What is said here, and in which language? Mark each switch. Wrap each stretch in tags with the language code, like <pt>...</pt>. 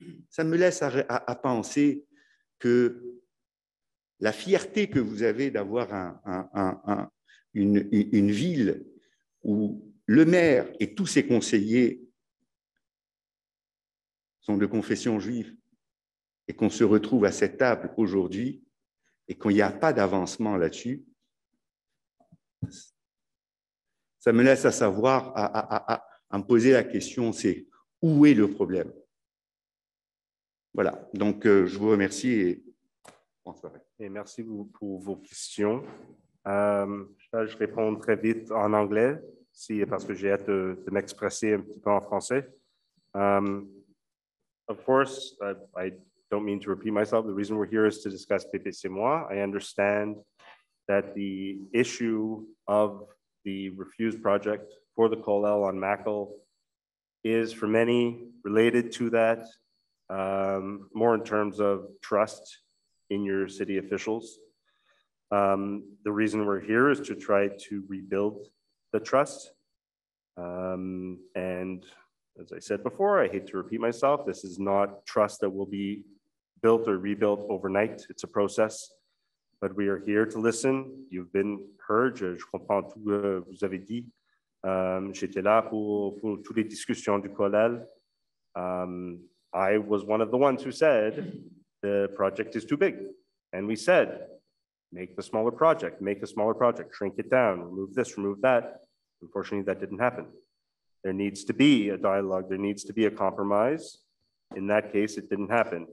<fr>Ça me laisse à penser que la fierté que vous avez d'avoir une ville où le maire et tous ses conseillers sont de confession juive et qu'on se retrouve à cette table aujourd'hui et qu'il n'y a pas d'avancement là-dessus, ça me laisse à me poser la question, c'est où est le problème? Voilà, donc je vous remercie et bonsoir. Et merci pour vos questions. Je réponds très vite en anglais, si, parce que j'ai hâte de m'exprimer un petit peu en français.</fr> <en>Of course, I don't mean to repeat myself. The reason we're here is to discuss PPC moi. I understand that the issue of the refused project for the Colel on Mackel is for many related to that, more in terms of trust in your city officials. The reason we're here is to try to rebuild the trust. And as I said before, I hate to repeat myself, this is not trust that will be built or rebuilt overnight. It's a process, but we are here to listen. You've been heard.</en> <fr>Je comprends tout que vous avez dit. J'étais là pour toutes les discussions du Colel.</fr> <en>I was one of the ones who said the project is too big. And we said, make the smaller project, make a smaller project, shrink it down, remove this, remove that. Unfortunately, that didn't happen. There needs to be a dialogue. There needs to be a compromise. In that case, it didn't happen.</en>